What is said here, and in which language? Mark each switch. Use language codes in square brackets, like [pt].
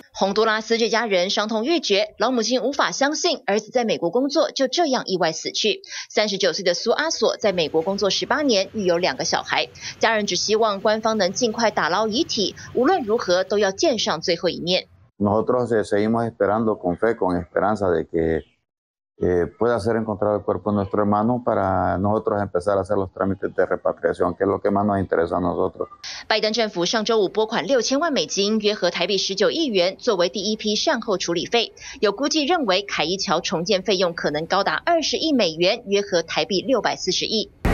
[zh] 洪都拉斯这家人伤痛欲绝，老母亲无法相信儿子在美国工作就这样意外死去。 39岁的苏阿索在美国工作18年，育有2个小孩。家人只希望官方能尽快打捞遗体，无论如何都要见上最后一面。 [es] Nosotros seguimos esperando con fe, con esperanza de que. Pueda ser encontrado el cuerpo de nuestro hermano para nosotros empezar a hacer los trámites de repatriación, que es lo que más nos interesa a nosotros. [zh] 拜登政府上周五拨款6000万美金，约合台币19亿元，作为第一批善后处理费。有估计认为，凯伊桥重建费用可能高达20亿美元，约合台币640亿。